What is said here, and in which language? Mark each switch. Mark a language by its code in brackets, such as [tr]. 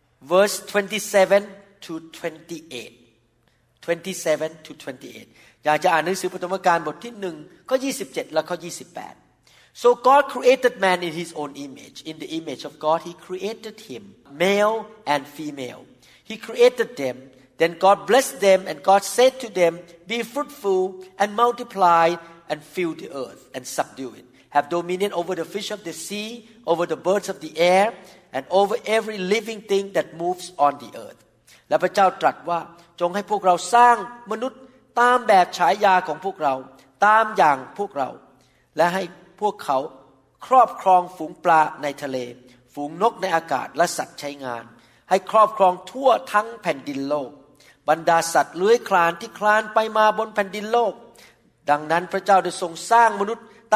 [en] verse 27 to 28 27 to 28 [th] อยากจะอ่านหนังสือปฐมกาลบทที่1ข้อ27และข้อ28 [en] So God created man in his own image in the image of God he created himMale and female. He created them. Then God blessed them and God said to them, Be fruitful and multiply and fill the earth and subdue it. Have dominion over the fish of the sea, over the birds of the air, and over every living thing that moves on the earth. [th] และพระเจ้าตรัสว่าจงให้พวกเราสร้างมนุษย์ตามแบบฉายาของพวกเราตามอย่างพวกเราและให้พวกเขาครอบครองฝูงปลาในทะเลฝูงนกในอากาศและสัตว์ใช้งานให้ครอบครองทั่วทั้งแผ่นดินโลกบรรดาสัตว์เลื้อยคลานที่คลานไปมาบนแผ่นดินโลกดังนั้นพระเจ้าได้ทรงสร้างมนุษย์ต